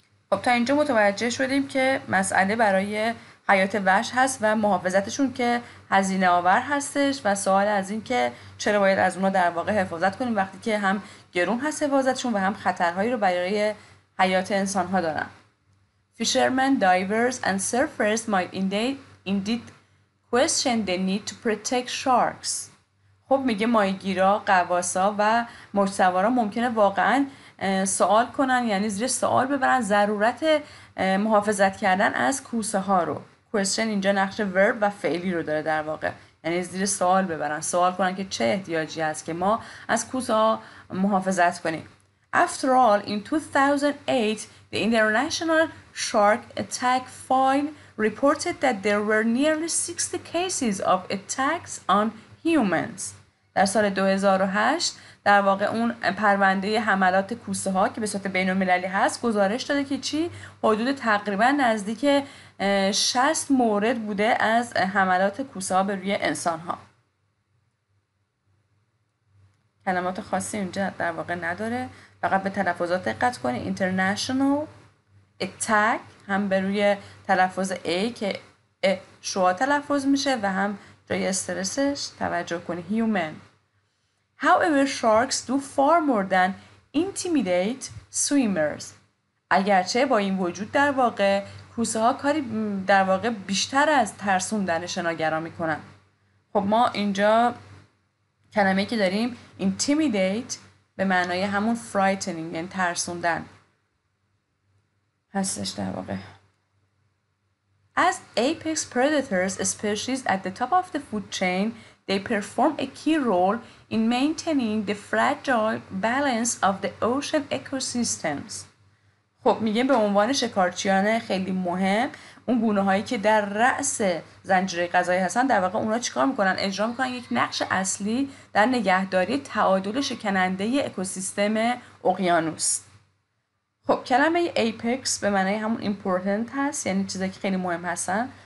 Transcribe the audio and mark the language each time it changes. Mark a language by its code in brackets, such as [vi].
[fa] خب تا اینجا متوجه شدیم که مسئله برای حیات وحش هست و محافظتشون که هزینه آور هستش و سوال از این که چرا باید از اونا در واقع حفاظت کنیم وقتی که هم گرون هست حفاظتشون و هم خطرهایی رو برای حیات انسان ها دارن. [en] Fishermen, divers and surfers might indeed question the need to protect sharks. [fa] خب میگه ماهیگیرا، غواصا و موج‌سوارا ممکنه واقعا سوال کنن، یعنی زیر سوال ببرن ضرورت محافظت کردن از کوسه ها رو. question اینجا نقش ورب و فعلی رو داره در واقع، یعنی زیر سوال ببرن، سوال کنن که چه احتیاجی هست که ما از کوسه ها محافظت کنیم. [en] After all, in 2008, the International Shark Attack File reported that there were nearly 60 cases of attacks on humans. [fa] در سال 2008 در واقع اون پرونده حملات کوسه ها که به صورت بین المللی هست گزارش داده که چی؟ حدود تقریبا نزدیک 60 مورد بوده از حملات کوسه ها به روی انسان ها. کلمات خاصی اونجا در واقع نداره، فقط به تلفظات دقت کنید. [en] International attack [fa] هم به روی تلفظ A که شوا تلفظ میشه و هم جای استرسش توجه کنی. [en] Human. However, sharks do far more than intimidate swimmers. [fa] اگرچه با این وجود در واقع کوسه ها کاری در واقع بیشتر از ترسوندن شناگرا میکنن. خب ما اینجا کلمه که داریم intimidate به معنای همون frightening یعنی ترسوندن هستش در واقع. [en] As apex predators, species at the top of the food chain, they perform a key role in maintaining the fragile balance of the ocean ecosystems. [fa] خب میگه به عنوان شکارچیان خیلی مهم اون گونه هایی که در رأس زنجیره غذایی هستن در واقع اونا چیکار میکنن؟ اجرا میکنن یک نقش اصلی در نگهداری تعادل شکننده اکوسیستم اقیانوس. خب کلمه ایپکس به معنی همون important هست یعنی چیزایی که خیلی مهم هستن.